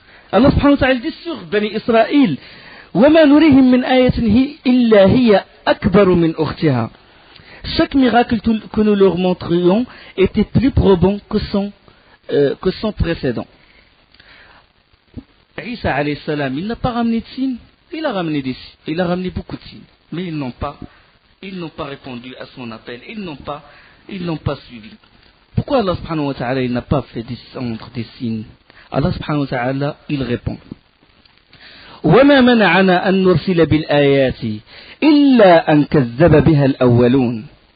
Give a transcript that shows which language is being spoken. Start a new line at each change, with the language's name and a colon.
French: Alors Pharaon dit sur Bani Israël:
Arabic: وَمَا نُرِيهِمْ مِنْ آيَةٍ إِلَّا هِيَ أَكْبَرُ مِنْ أُخْتِهَا.
French: Chaque miracle que nous leur montrions était plus probant que son précédent. Isa alayhi salam, il n'a pas ramené de signes. Il a ramené beaucoup de signes. Mais ils n'ont pas répondu à son appel. Ils n'ont pas suivi. Pourquoi Allah subhanahu wa ta'ala il n'a pas fait descendre des signes? Allah subhanahu wa ta'ala il répond:
Arabic: وَمَا مَنَعَنَا أَن نُرْسِلَ بِالْآيَاتِ إِلَّا أَن كَذَّبَ بِهَا الْأَوَّلُونَ.